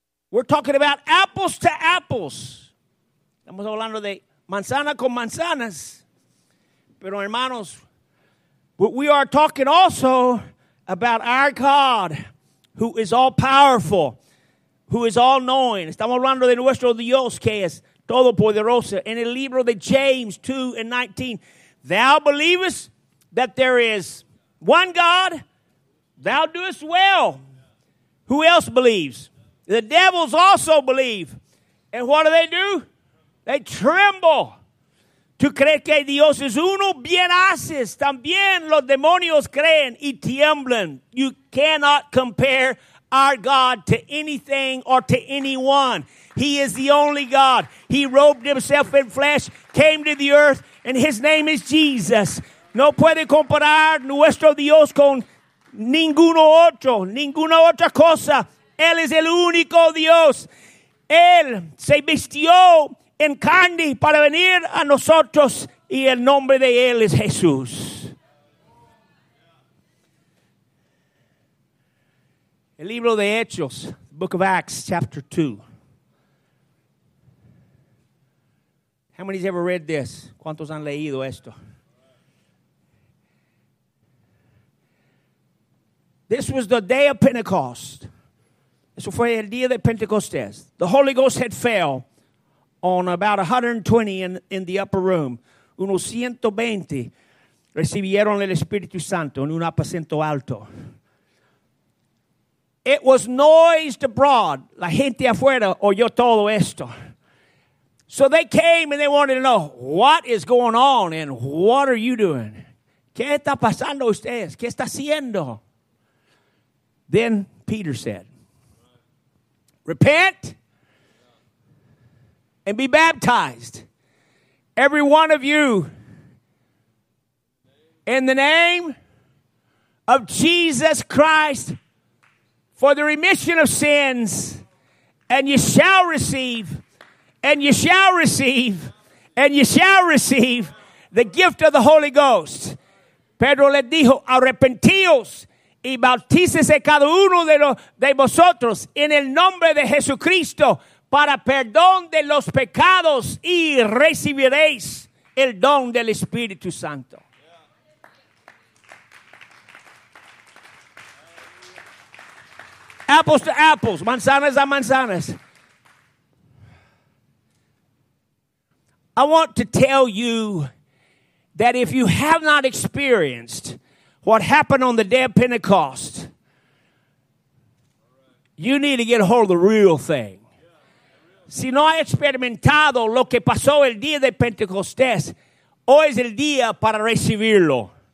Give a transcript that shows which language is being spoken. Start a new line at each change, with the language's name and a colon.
English: We're talking about apples to apples.
Spanish: Estamos hablando de manzana con manzanas. Pero hermanos,
English: but we are talking also about our God, who is all powerful, who is all knowing.
Spanish: Estamos hablando de nuestro Dios, que es todopoderoso.
English: In the
Spanish: libro de
English: James 2:19, thou believest that there is One God, thou doest well. Who else believes? The devils also believe. And what do? They tremble.
Spanish: Tú crees que Dios es uno, bien haces. También los demonios creen y tiemblan.
English: You cannot compare our God to anything or to anyone. He is the only God. He robed himself in flesh, came to the earth, and his name is Jesus.
Spanish: No puede comparar nuestro Dios con ninguno otro, ninguna otra cosa. Él es el único Dios. Él se vistió en carne para venir a nosotros y el nombre de Él es Jesús. El libro de Hechos,
English: Book of Acts, chapter 2. How many's ever read this?
Spanish: ¿Cuántos han leído esto?
English: This was the day of Pentecost.
Spanish: Eso fue el día de Pentecostés.
English: The Holy Ghost had fell on about 120 in the upper room.
Spanish: Unos 120 recibieron el Espíritu Santo en un aposento alto.
English: It was noised abroad.
Spanish: La gente afuera oyó todo esto.
English: So they came and they wanted to know, what is going on and what are you doing?
Spanish: ¿Qué está pasando ustedes? ¿Qué está haciendo?
English: Then Peter said, repent and be baptized, every one of you, in the name of Jesus Christ, for the remission of sins, and you shall receive, and you shall receive, and you shall receive the gift of the Holy Ghost.
Spanish: Pedro le dijo, arrepentíos. Y bautícese cada uno de vosotros en el nombre de Jesucristo para perdón de los pecados y recibiréis el don del Espíritu Santo.
English: Yeah. Apples to apples,
Spanish: manzanas a manzanas.
English: I want to tell you that if you have not experienced what happened on the day of Pentecost, you need to get a hold of the real thing.
Spanish: Si no ha experimentado lo que pasó el día de Pentecostés, hoy es el día para recibirlo.